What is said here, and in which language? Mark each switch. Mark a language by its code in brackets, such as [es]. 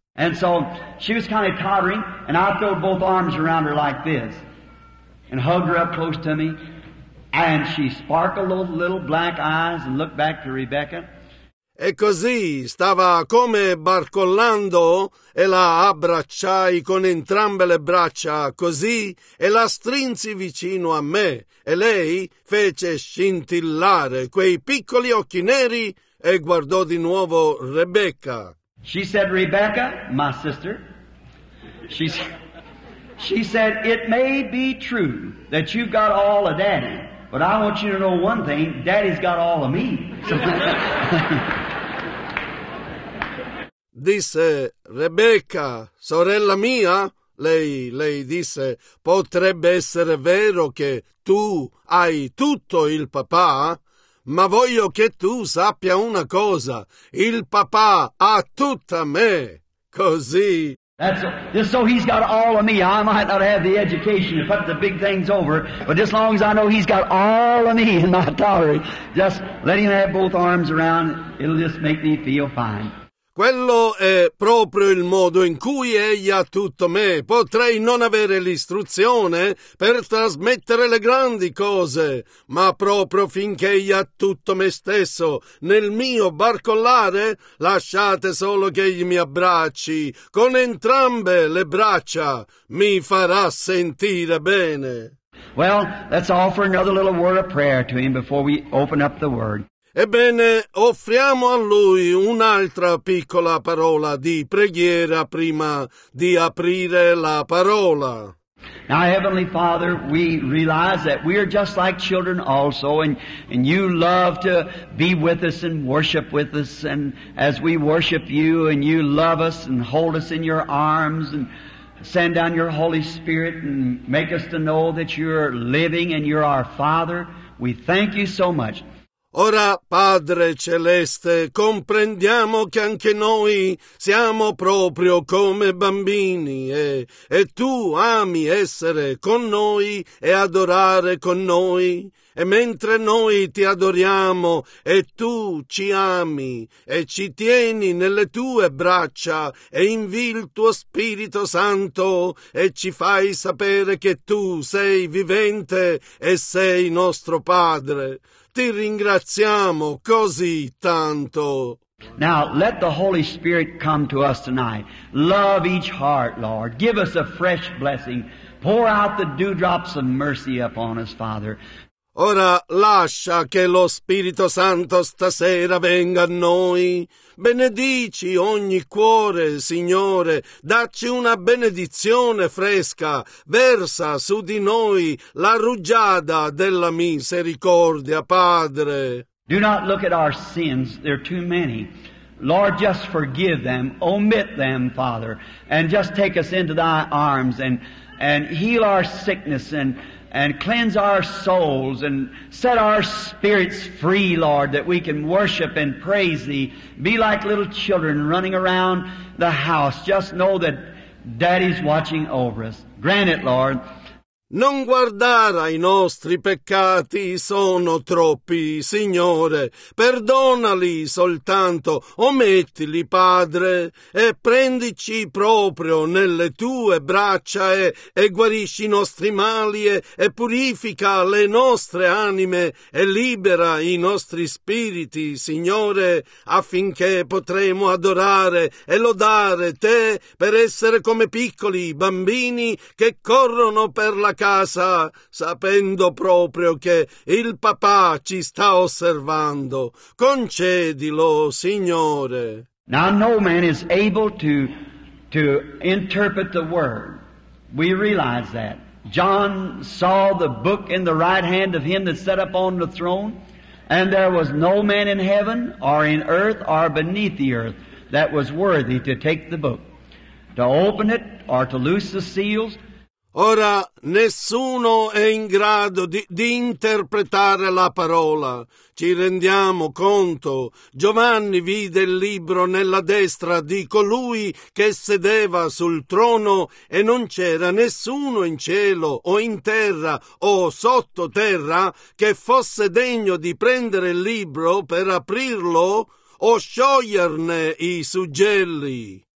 [en] And so she was kind of tottering, and I threw both arms around her like this and hugged her up close to me. And she sparkled those little black eyes and looked back to Rebecca. [it] E così stava come barcollando e la abbracciai con entrambe le braccia così e la strinsi vicino a me. E lei fece scintillare quei piccoli occhi neri e guardò di nuovo Rebecca. [en] She said, Rebecca, my sister, she said, it may be true that you've got all of Daddy, but I want you to know one thing, Daddy's got all of me. [it] Disse, Rebecca, sorella mia, lei disse, potrebbe essere vero che tu hai tutto il papà? Ma voglio che tu sappia una cosa, il papà ha tutta me, così. [en] Just so he's got all of me. I might not have the education to put the big things over, but as long as I know he's got all of me in my tottery, just let him have both arms around, it'll just make me feel fine. [it] Quello è proprio il modo in cui egli ha tutto me. Potrei non avere l'istruzione per trasmettere le grandi cose, ma proprio finché egli ha tutto me stesso, nel mio barcollare, lasciate solo che egli mi abbracci con entrambe le braccia, mi farà sentire bene. [en] Well, let's offer another little word of prayer to him before we open up the word. [it] Ebbene, offriamo a lui un'altra piccola parola di preghiera prima di aprire la parola. [en] Now, Heavenly Father, we realize that we are just like children also, and you love to be with us and worship with us, and as we worship you, and you love us and hold us in your arms, and send down your Holy Spirit and make us to know that you're living and you're our Father. We thank you so much. [it] Ora, Padre Celeste, comprendiamo che anche noi siamo proprio come bambini e tu ami essere con noi e adorare con noi. E mentre noi ti adoriamo e tu ci ami e ci tieni nelle tue braccia e invii il tuo Spirito Santo e ci fai sapere che tu sei vivente e sei nostro Padre. Ti ringraziamo così tanto. [en] Now let the Holy Spirit come to us tonight. Love each heart, Lord. Give us a fresh blessing. Pour out the dewdrops of mercy upon us, Father. [it] Ora lascia che lo Spirito Santo stasera venga a noi. Benedici ogni cuore, Signore, dacci una benedizione fresca, versa su di noi la rugiada della misericordia, Padre. [en] Do not look at our sins, they're too many. Lord, just forgive them, omit them, Father, and just take us into thy arms and heal our sickness and cleanse our souls and set our spirits free, Lord, that we can worship and praise thee. Be like little children running around the house. Just know that Daddy's watching over us. Grant it, Lord. [it] Non guardare ai nostri peccati, sono troppi, Signore. Perdonali soltanto, omettili, Padre, e prendici proprio nelle tue braccia e guarisci i nostri mali e purifica le nostre anime e libera i nostri spiriti, Signore, affinché potremo adorare e lodare te per essere come piccoli bambini che corrono per la casa, sapendo proprio che il papà ci sta osservando. Concedilo, Signore. [en] Now no man is able to interpret the word. We realize that. John saw the book in the right hand of him that sat upon the throne, and there was no man in heaven or in earth or beneath the earth that was worthy to take the book, to open it or to loose the seals. [it] Ora nessuno è in grado di interpretare la parola. Ci rendiamo conto. Giovanni vide il libro nella destra di colui che sedeva sul trono e non c'era nessuno in cielo o in terra o sottoterra che fosse degno di prendere il libro per aprirlo o scioglierne i suggelli.